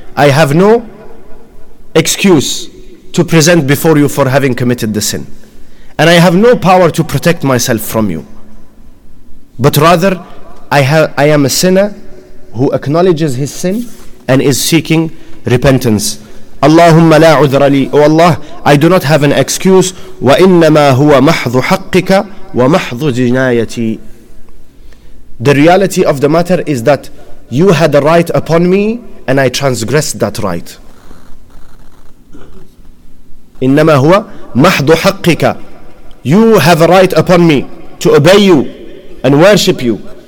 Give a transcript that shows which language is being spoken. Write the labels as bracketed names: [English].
[English] I have no excuse to present before you for having committed the sin. And I have no power to protect myself from you. But rather, I am a sinner who acknowledges his sin and is seeking repentance. [Arabic] اللهم لا عذر لي. [English] Oh Allah, I do not have an excuse. [Arabic] وإنما هو محض حقك ومحض جنايتي. [English] The reality of the matter is that you had a right upon me and I transgressed that right. [Arabic] إنما هو محض حقك. [English] You have a right upon me to obey you and worship you.